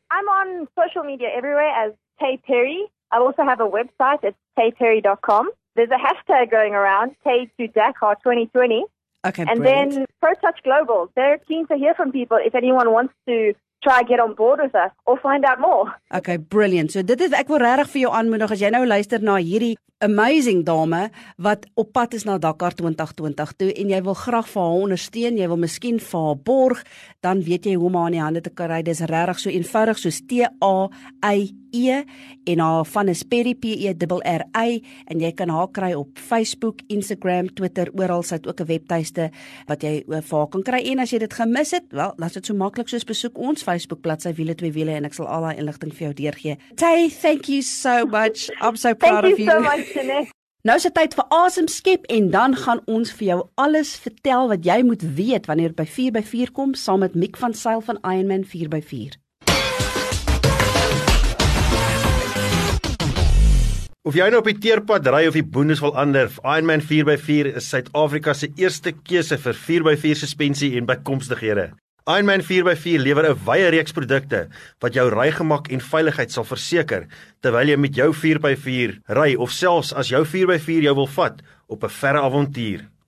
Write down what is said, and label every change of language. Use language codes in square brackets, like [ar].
[en] I'm on social media everywhere as Tay Perry. I also have a website. It's tayperry.com. There's a hashtag going around, Tay to Dakar 2020. Okay, and brilliant. Then ProTouch Global. They're keen to hear from people if anyone wants to try get on board with us or find out more. Okay, brilliant. [af] So dit is, ek wil regtig vir jou aanmoedig as jy nou luister na hierdie amazing dame wat op pad is na Dakar 2020 toe en jy wil graag vir haar ondersteun, jy wil miskien vir haar borg, dan weet jy hoe om haar in die hande te kry. Dis regtig so eenvoudig soos TAIE en haar van is Perry PERRI en jy kan haar kry op Facebook, Instagram, Twitter, oral. Sy het ook 'n webtuiste wat jy vir haar kan kry. En as jy dit gemis het, wel, laat dit so maklik soos besoek ons Facebook bladsy Wiele 2 Wiele en ek sal al haar inligting vir jou deurgee. [en] Tay, thank you so much. I'm so proud of you. Thank you so much. [af] Nou [nl] is het tijd voor [af] Awesome Skip en dan gaan ons vir jou alles vertel wat jy moet weet wanneer het by 4x4 kom, saam met Mick van Sail van Ironman 4x4. Of jy nou op die teerpad ry of die boendes wil ander, Ironman 4x4 is Suid-Afrika se eerste keuse vir 4x4 suspensie en bykomstighede. Ironman 4x4 lewer 'n wye reeks produkte wat jou rygemak en veiligheid sal verseker terwyl jy met jou 4x4 ry of selfs as jou 4x4 jou wil vat op 'n verre avontuur.